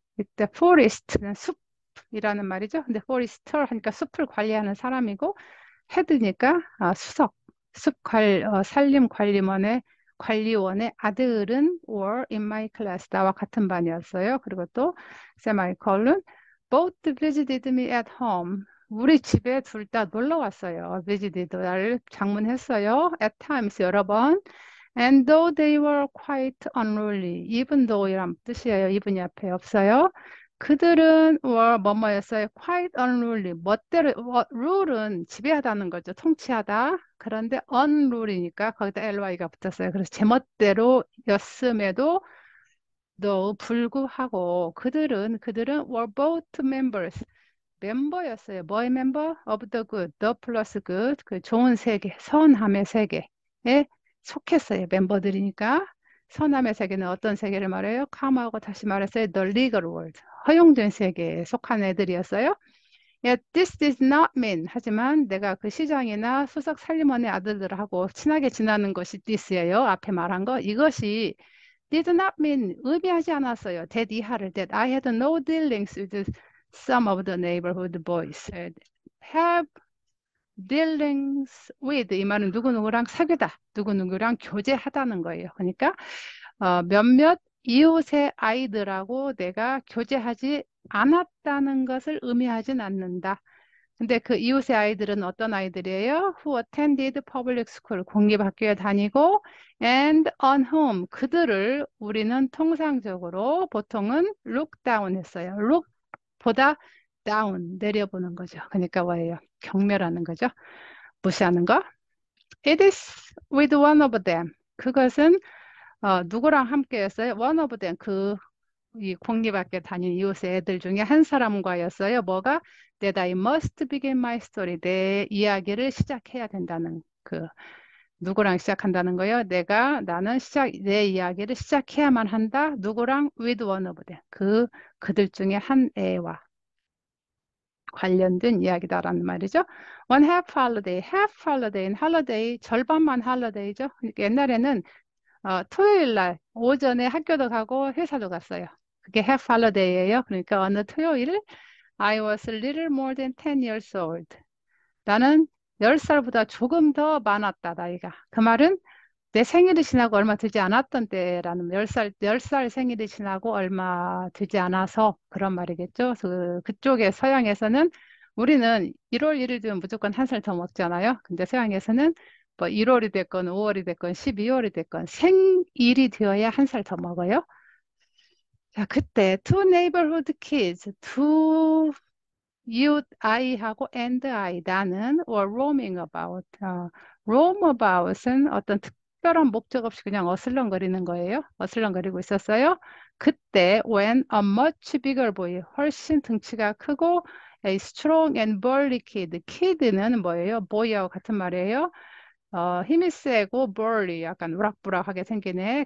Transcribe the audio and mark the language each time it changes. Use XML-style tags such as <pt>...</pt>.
<ko>이때 forest는 숲. 이라는 말이죠. 근데 forester 하니까 숲을 관리하는 사람이고 헤드니까 수석, 산림관리원의 관리원의 아들은</ko> <en>were in my class,</en> <ko>나와 같은 반이었어요. 그리고 또</ko> <en>semicolon, both visited me at home.</en> <ko>우리 집에 둘다 놀러 왔어요. visited 나를 장문했어요.</ko> <en>at times</en> <ko>여러 번.</ko> <en>and though they were quite unruly, even though</en> <ko>이란 뜻이에요. even이 앞에 없어요. 그들은 were 뭐뭐였어요?</ko> <en>quite unruly.</en> <ko>멋대로, rule은 지배하다는 거죠. 통치하다. 그런데 unruly니까 거기다 ly가 붙었어요. 그래서 제멋대로였음에도 너 불구하고 그들은</ko> <en>were both members.</en> <ko>멤버였어요. 뭐의 멤버?</ko> <en>of the good, the plus good.</en> <ko>그 좋은 세계, 선함의 세계에 속했어요. 멤버들이니까. 선함의 세계는 어떤 세계를 말해요? 카마하고 다시 말했어요.</ko> <en>The legal world.</en> <ko>허용된 세계에 속한 애들이었어요.</ko> <en>Yet this does not mean.</en> <ko>하지만 내가 그 시장이나 수석 살림원의 아들들하고 친하게 지나는 것이 this예요. 앞에 말한 거. 이것이</ko> <en>did not mean.</en> <ko>의미하지 않았어요. That 이하를.</ko> <en>That I had no dealings with some of the neighborhood boys. Have dealings with.</en> <ko>이 말은 누구누구랑 사귀다. 누구누구랑 교제하다는 거예요. 그러니까 몇몇 이웃의 아이들하고 내가 교제하지 않았다는 것을 의미하진 않는다. 근데 그 이웃의 아이들은 어떤 아이들이에요?</ko> <en>Who attended public school,</en> <ko>공립학교에 다니고,</ko> <en>and on whom,</en> <ko>그들을 우리는 통상적으로 보통은</ko> <en>look down 했어요.</en> <ko>look 보다 down, 내려보는 거죠. 그러니까 뭐예요? 경멸하는 거죠. 무시하는 거.</ko> <en>It is with one of them.</en> <ko>그것은 누구랑 함께였어요?</ko> <en>One of them,</en> <ko>이 공립학교 다닌 이웃의 애들 중에 한 사람과였어요. 뭐가?</ko> <en>That I must begin my story.</en> <ko>내 이야기를 시작해야 된다는 그 누구랑 시작한다는 거예요? 내 이야기를 시작해야만 한다. 누구랑?</ko> <en>With one of them.</en> <ko>그들 중에 한 애와. 관련된 이야기다라는 말이죠.</ko> <en>One half holiday, half holiday, and holiday, 절반만 holiday죠.</en> <ko>옛날에는 토요일 날 오전에 학교도 가고 회사도 갔어요.</ko> <en>그게 half holiday예요.</en> <ko>그러니까 어느 토요일,</ko> <en>I was a little more than 10 years old.</en> <ko>나는 10살보다 조금 더 많았다, 나이가. 그 말은 내 생일이 지나고 얼마 되지 않았던 때라는, 10살 생일이 지나고 얼마 되지 않아서 그런 말이겠죠. 그쪽에 서양에서는 우리는 1월 1일이면 무조건 한살더 먹잖아요. 근데 서양에서는 뭐 1월이 됐건 5월이 됐건 12월이 됐건 생일이 되어야 한살더 먹어요. 자, 그때</ko> <en>two neighborhood kids, two youth 아이하고 and 아이 나는 were roaming about.</en> <ko>Roam about은 어떤 특별한 목적 없이 그냥 어슬렁거리는 거예요. 어슬렁거리고 있었어요.</ko> <en>그때 when a much bigger boy,</en> <ko>훨씬 덩치가 크고</ko> <en>a strong and burly kid.</en> <ko>Kid는 뭐예요? boy하고 같은 말이에요. 힘이 세고 burly, 약간 우락부락하게 생긴 애.</ko>